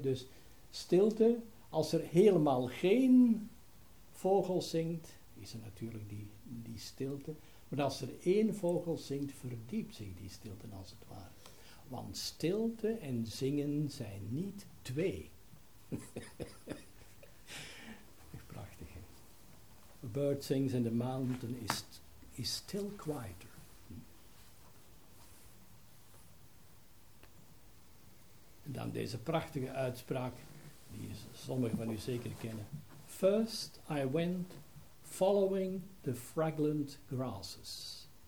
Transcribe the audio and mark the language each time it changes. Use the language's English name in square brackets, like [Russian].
[Dutch] Dus stilte, als er helemaal geen vogel zingt, is er natuurlijk die stilte. Maar als er één vogel zingt, verdiept zich die stilte als het ware. Want stilte en zingen zijn niet twee. Prachtig, hè? [English] A bird sings in the mountain is still quieter. [Dutch] En dan deze prachtige uitspraak, die sommigen van u zeker kennen. [English] First I went following the fragrant grasses.